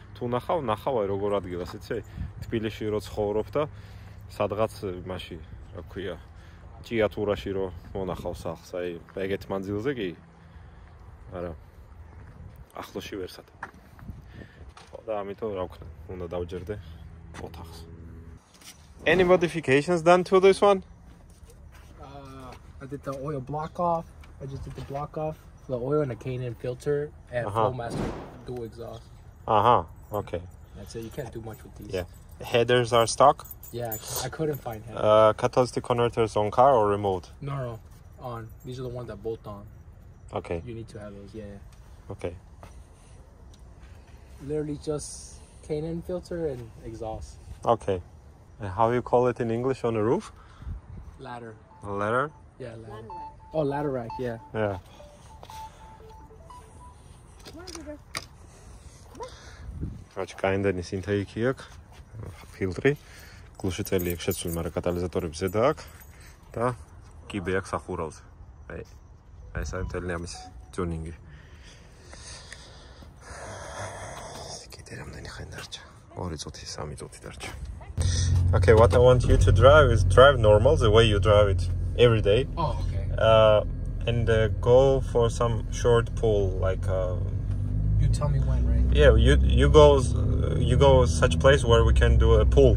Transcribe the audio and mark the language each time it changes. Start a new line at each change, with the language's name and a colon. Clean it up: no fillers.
Georgian: თუ ნახავ, ნახავ აი როგორ ადგილას, იცი? თბილისში რო ცხოვრობ და სადღაც მაში, რა ქვია, ჭიათურაში რო მონახავ სახს, აი ეგეთ მანძილზე კი არა, ახლოში ვერსად. ხო და ამიტომ რა ვქნა, უნდა დავჯერდე ოთახს.
English: Any modifications done to this one? I did the oil block off. I just did the block off, the oil and the K&N filter and Flowmaster dual exhaust. Okay. That's it. You can't do much with these. Yeah. Headers are stock? Yeah, I couldn't find him. Catalytic converters on car or remote? No, on. These are the ones that bolt on. Okay. You need to have those, yeah. Okay. Literally just K&N filter and exhaust. Okay. And how do you call it in English on the roof? Ladder. A ladder? Yeah, ladder. Ladder rack. Oh, ladder rack, yeah. Yeah. Which kind of Nissan do you have? Filter.
Georgian: კლუჩი წელი აქვს შეცვლილი, მაგრამ კატალიზატორები ზედა აქვს და კიბე აქვს ახურავზე. აი ეს არის მთელი ამის ტიუნინგი. კიდე რამდენი ხანი დარჩა? 2 წუთი, 3 წუთი დარჩა.
English: Okay, what I want you to drive is drive normal the way you drive it every day. Oh, okay. And go for some short pull like you tell me when, right? Yeah, you go such place where we can do a pull.